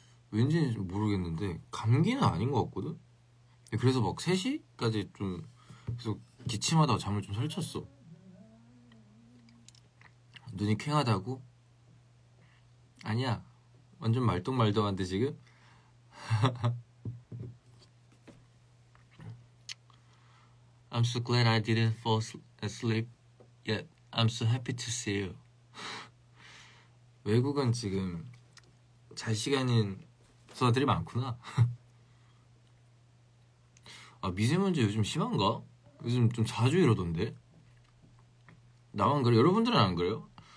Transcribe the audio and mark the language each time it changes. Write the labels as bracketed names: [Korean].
[Korean] 왠지 모르겠는데 감기는 아닌 것 같거든? 그래서 막 3시까지 좀 계속 기침하다가 잠을 좀 설쳤어. 눈이 퀭하다고? 아니야, 완전 말똥말똥한데 지금? [English] I'm so glad I didn't fall asleep yet. I'm so happy to see you. [Korean] 외국은 지금 잘 시간인 조사들이 많구나. 아, 미세먼지 요즘 심한가? 요즘 좀 자주 이러던데? 나만 그래? 여러분들은 안 그래요?